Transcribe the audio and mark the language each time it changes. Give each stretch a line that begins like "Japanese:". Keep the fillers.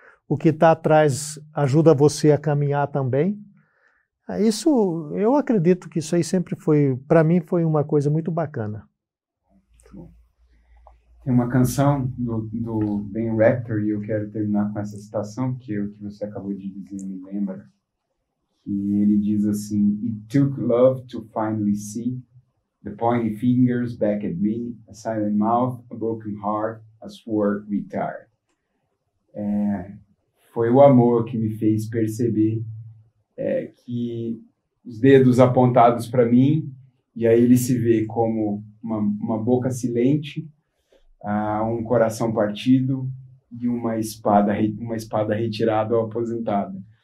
Portuguese: O que está atrás ajuda você a caminhar também. Isso, eu acredito que isso aí sempre foi, para mim, foi uma coisa muito bacana. Tem uma canção do, do Ben Rector e eu quero terminar com essa citação, que o que você acabou de dizer me lembra.
English: E ele diz assim: It took love to finally see the pointy fingers back at me, a silent mouth, a broken heart, a sword retired.
Portuguese: É, foi o amor que me fez perceber é, que os dedos apontados para mim, e aí ele se vê como uma, uma boca silente, Uh, um coração partido e uma espada uma espada retirada ou aposentada.